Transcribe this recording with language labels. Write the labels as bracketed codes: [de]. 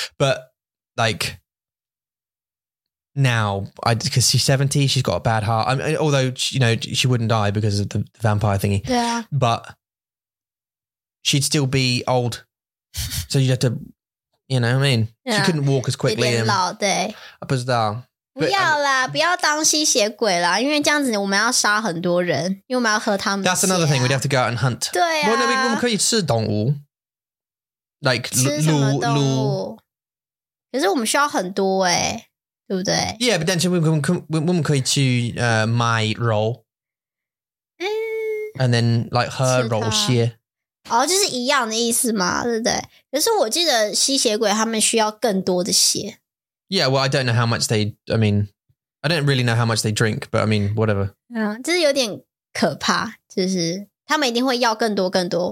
[en] But, like, now, because she's 70, she's got a bad heart. I mean, although, you know, she wouldn't die because of the vampire thingy. Yeah. But she'd still be old. So you'd have to, you know what I mean? Yeah. She couldn't walk as quickly. She'd be old, yeah. I don't know. [zh] But, 不要啦，不要当吸血鬼啦，因为这样子我们要杀很多人，因为我们要喝他们的血啊。 [en] That's another thing, we'd have to go out and hunt. [zh] 对啊。 [en] Well, no, we could eat [zh] 吃动物。 [en] Like, [zh] 吃什么动物。可是我们需要很多耶，对不对？ [en] Yeah, but then we could eat [zh] 去买肉。 [en] And then, like, [zh] 喝肉血。哦，就是一样的意思嘛，对不对？可是我记得吸血鬼他们需要更多的血。 [en] Yeah, well, I don't know how much they, I mean, I don't really know how much they drink, but I mean, whatever. [zh] 这是有点可怕，就是他们一定会要更多更多。